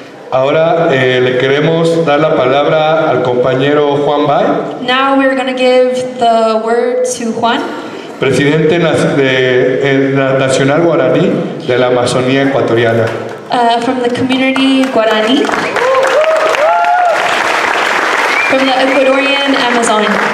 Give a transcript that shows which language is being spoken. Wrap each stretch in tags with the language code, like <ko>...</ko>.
<es>Ahora le queremos dar la palabra al compañero Juan Bay.</es> <en>Now we're going to give the word to Juan.</en> <es>Presidente de la Nacional Guaraní de la Amazonía Ecuatoriana.</es> <en>From the community Guarani, from the Ecuadorian Amazon.</en>